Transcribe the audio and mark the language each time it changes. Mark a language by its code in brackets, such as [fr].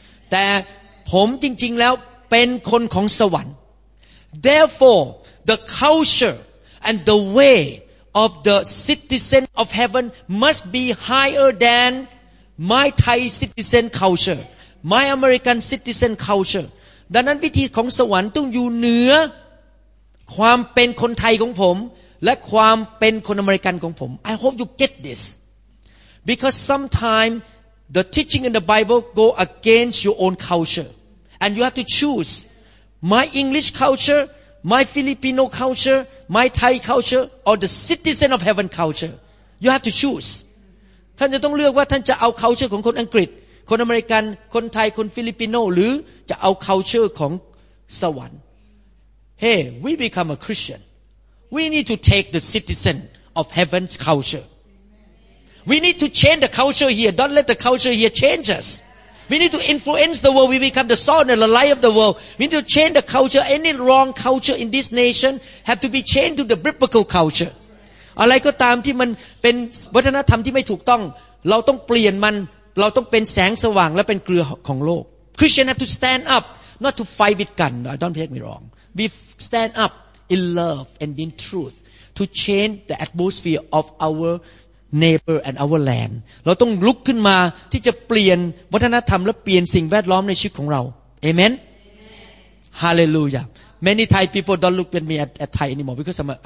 [th] แต่ผมจริงๆแล้วเป็นคนของสวรรค์ [en] Therefore, the culture and the way of the citizen of heaven must be higher than my Thai citizen culture, my American citizen culture. [th] ดังนั้นวิธีของสวรรค์ต้องอยู่เหนือความเป็นคนไทยของผมและความเป็นคนอเมริกันของผม [en] I hope you get this. Because sometimes the teaching in the Bible go against your own culture. And you have to choose my English culture, my Filipino culture, my Thai culture, or the citizen of heaven culture. You have to choose. [th] ท่านจะต้องเลือกว่าท่านจะเอา culture ของคนอังกฤษคนอเมริกันคนไทยคนฟิลิปปินโนหรือจะเอา culture ของสวรรค์ [en] Hey, we become a Christian. We need to take the citizen of heaven's culture. We need to change the culture here. Don't let the culture here change us. We need to influence the world. We become the salt and the light of the world. We need to change the culture. Any wrong culture in this nation have to be changed to the biblical culture. [th] อะไรก็ตามที่มันเป็นวัฒนธรรมที่ไม่ถูกต้องเราต้องเปลี่ยนมันเราต้องเป็นแสงสว่างและเป็นเกลือของโลก [en] Christian have to stand up, not to fight with gun. Don't get me wrong. We stand up in love and in truth to change the atmosphere of ourneighbor and our land [th] เราต้องลุกขึ้นมาที่จะเปลี่ยนวัฒนธรรมและเปลี่ยนสิ่งแวดล้อมในชีวิตของเราเอเมนฮาเลลูยา [en] many Thai people don't look at me at Thai anymore because